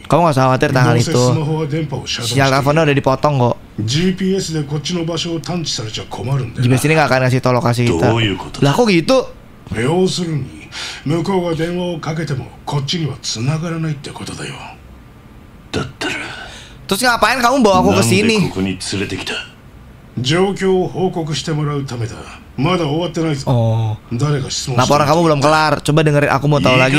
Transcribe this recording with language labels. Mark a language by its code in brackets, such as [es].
[id] Kamu enggak usah khawatir tentang itu. Sinyal teleponnya udah dipotong kok. [ja] GPS でこっちの場所を探知されちゃ困るんだ。 [id] GPS ini enggak akan ngasih tahu lokasi kita. [ja] どういうこと？ [id] Lah kok gitu? [ja] 要するに向こうが電話をかけてもこっちには繋がらないってことだよ。だったら。 [id] Terus ngapain kamu bawa aku ke sini? [ja] なんでここに連れてきた？状況を報告してもらうためだ。まだ終わってないぞ。 Oh. 誰が質問した？ [id] Laporan kamu belum kelar. Coba dengerin aku mau tahu lagi.